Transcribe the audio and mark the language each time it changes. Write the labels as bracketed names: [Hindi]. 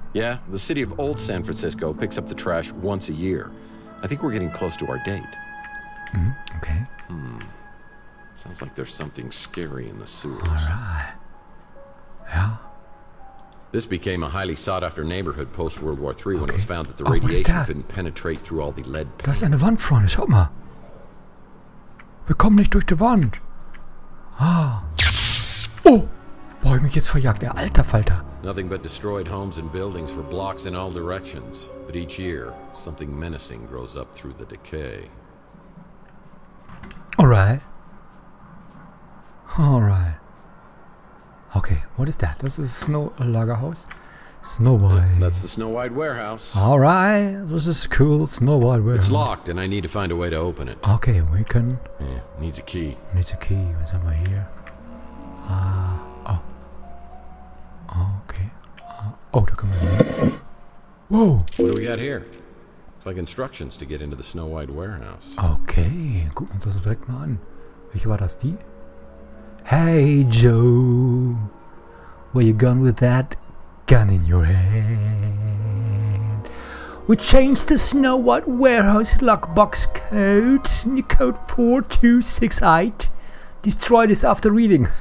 [English] Yeah, the city of old San Francisco picks up the trash once a year. I think we're getting close to our date. Okay. Sounds like there's something scary in the sewers. Yeah. This became a highly sought-after neighborhood post-World War III when it was found that the radiation couldn't penetrate through all the lead paint. [German] Das ist eine Wand, Freunde. Schaut mal. Wir kommen nicht durch die Wand. Ah. Oh. Boah, ich mich jetzt verjagt. Alter Falter. [English] Nothing but destroyed homes and buildings for blocks in all directions. But each year, something menacing grows up through the decay. Alright. Alright. Okay, what is that? This is a snow lagerhaus. Snow White. That's the Snow White warehouse. Alright, this is cool Snow White warehouse. It's locked and I need to find a way to open it. Okay, we can... Yeah, needs a key. Needs a key. What's up over here? Oh. Okay. [German] Oh, da kommen wir. Whoa! [English] What do we got here? It's like instructions to get into the Snow White warehouse. [German] Okay, gucken wir uns das direkt mal an. Welche war das, die? [English] Hey Joe, where you gone with that gun in your hand? We changed the Snow White warehouse lockbox code, code 4268. Destroy this after reading.